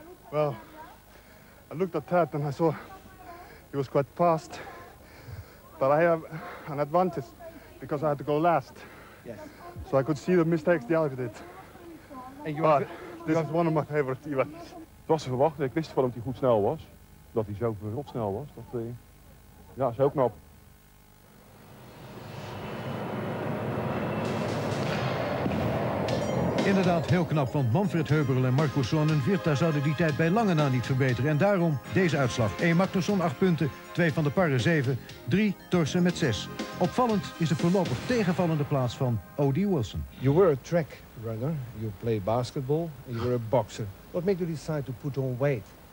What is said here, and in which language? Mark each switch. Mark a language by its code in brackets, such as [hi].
[en] Well, I looked at Ted and I saw he was quite fast. But I have an advantage because I had to go last. Yes. So I could see the mistakes the other did. And you are this is one of my favorite events. [nl] Het was te verwachten. Ik wist van hem dat hij goed snel was. Dat hij zo verrot snel was. Dat hij... Ja, is heel knap. Inderdaad, heel knap, want Manfred Heuberl en Marco Sonnen Virta zouden die tijd bij lange na niet verbeteren. En daarom deze uitslag. 1 Magnusson 8 punten, 2 Van der Parren 7, 3 Thorsen met 6. Opvallend is de voorlopig tegenvallende plaats van Odie Wilson. [en] You were a track runner, you play basketball, and you were a boxer. What made you decide to put on weight?